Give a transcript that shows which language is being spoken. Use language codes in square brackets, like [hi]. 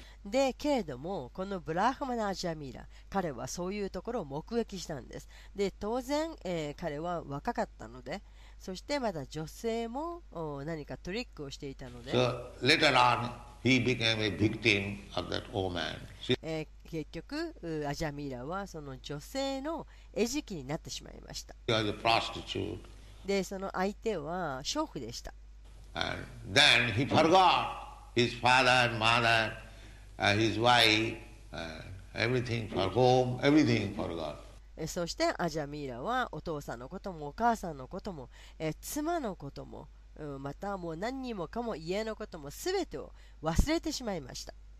[ja] でけれどもこのブラハマナジャミラ、彼はそういうところを目撃したんです。で当然、彼は若かったので、そしてまだ女性も何かトリックをしていたので、 [en] So later on he became a victim of that woman. [ja] 結局アジャミラはその女性の餌食になってしまいました。 [en] He was a prostitute. [ja] でその相手は娼婦でした。 [en] And then he forgot his father and motherhis wife, everything for home, everything for God. [ja] そしてアジャミーラはお父さんのこともお母さんのことも、妻のことも、またもう何にもかも家のこともすべてを忘れてしまいました。